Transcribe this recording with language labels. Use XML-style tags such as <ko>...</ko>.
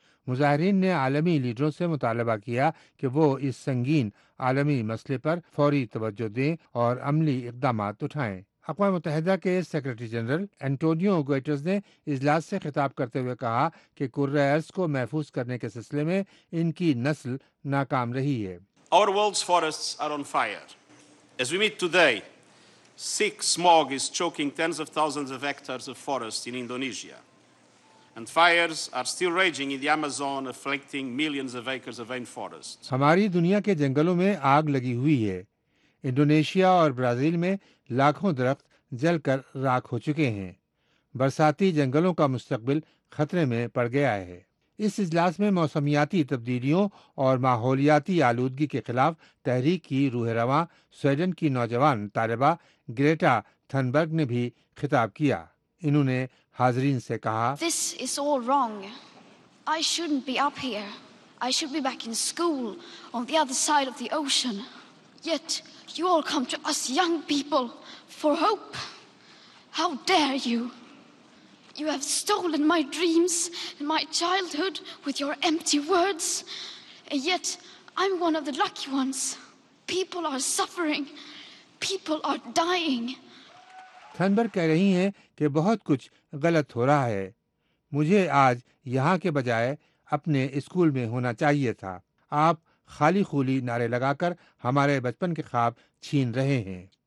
<ur>مظاہرین نے عالمی لیڈروں سے مطالبہ کیا کہ وہ اس سنگین عالمی مسئلے پر فوری توجہ دیں اور عملی اقدامات اٹھائیں۔ اقوام متحدہ کے سیکرٹری جنرل انٹونیو گوٹیرس نے اجلاس سے خطاب کرتے ہوئے کہا کہ کرہ ارض کو محفوظ کرنے کے سلسلے میں ان کی نسل ناکام رہی ہے۔</ur> <en>Our world's forests are on fire. As we meet today, thick smog is choking tens of thousands of hectares of forest in Indonesia. And fires are still raging in the Amazon, afflicting millions of acres of rainforest.</en> <ur>ہماری دنیا کے جنگلوں میں آگ لگی ہوئی ہے۔ Indonesia اور برازیل میں لاکھوں درخت جل کر راکھ ہو چکے ہیں۔ برساتی جنگلوں کا مستقبل خطرے میں پڑ گیا ہے۔ اس اجلاس میں موسمیاتی تبدیلیوں اور ماحولیاتی آلودگی کے خلاف تحریک کی روح رواں سویڈن کی نوجوان طالبہ گریٹا تھنبرگ نے بھی خطاب کیا۔ انہوں نے حاضرین سے کہا،</ur> <en>This is all wrong. I shouldn't be up here. I should be back in school on the other side of the ocean. Yet you all come to us young people for hope. How dare you? You have stolen my dreams and my childhood with your empty words. And yet I'm one of the lucky ones. People are suffering. People are dying.</en> <ur>Thunberg کہہ رہی ہیں کہ بہت کچھ غلط ہو رہا ہے۔ مجھے آج یہاں کے بجائے اپنے اسکول میں ہونا چاہیے تھا۔ آپ خالی خولی نعرے لگا کر ہمارے بچپن کے خواب چھین رہے ہیں۔</ur>